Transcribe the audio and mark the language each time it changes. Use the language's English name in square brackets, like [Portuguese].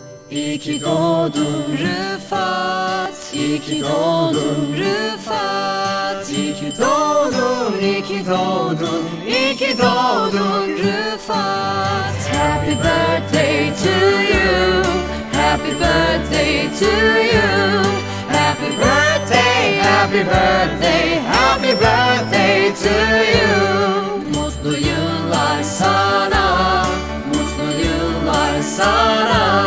[Turkish] İyi ki doğdun Rıfat, iyi ki doğdun Rıfat, iyi ki doğdun, iyi ki doğdun, iyi ki doğdun Rıfat. [English] Happy birthday to you, happy birthday to you, happy birthday, happy birthday, happy birthday to you. [Turkish] Mutlu yıllar sana, mutlu yıllar sana.